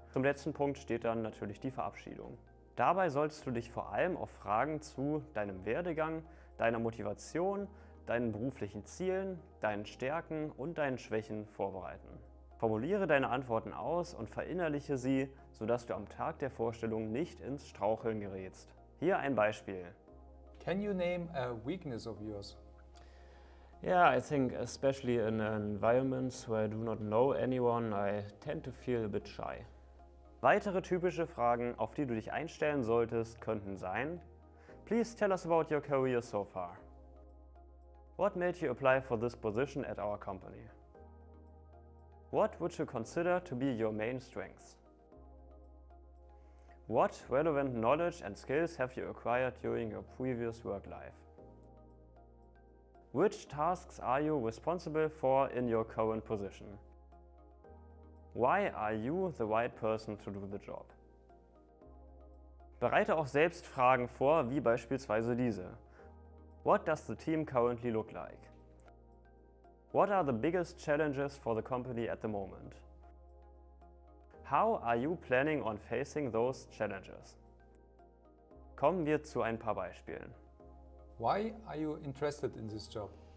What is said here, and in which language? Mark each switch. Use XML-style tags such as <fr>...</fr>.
<de>Zum letzten Punkt steht dann natürlich die Verabschiedung. Dabei solltest du dich vor allem auf Fragen zu deinem Werdegang, deiner Motivation, deinen beruflichen Zielen, deinen Stärken und deinen Schwächen vorbereiten. Formuliere deine Antworten aus und verinnerliche sie, sodass du am Tag der Vorstellung nicht ins Straucheln gerätst. Hier ein Beispiel.</de> <en>Can you name a weakness of yours? Yeah, I think especially in environments where I do not know anyone, I tend to feel a bit shy.</en> <de>Weitere typische Fragen, auf die du dich einstellen solltest, könnten sein:</de> <en>Please tell us about your career so far. What made you apply for this position at our company? What would you consider to be your main strengths? What relevant knowledge and skills have you acquired during your previous work life? Which tasks are you responsible for in your current position? Why are you the right person to do the job?</en> <de>Bereite auch selbst Fragen vor, wie beispielsweise diese.</de> <en>What does the team currently look like? What are the biggest challenges for the company at the moment? How are you planning on facing those challenges?</en> <de>Kommen wir zu ein paar Beispielen.</de> <en>Why are you interested in this job?</en>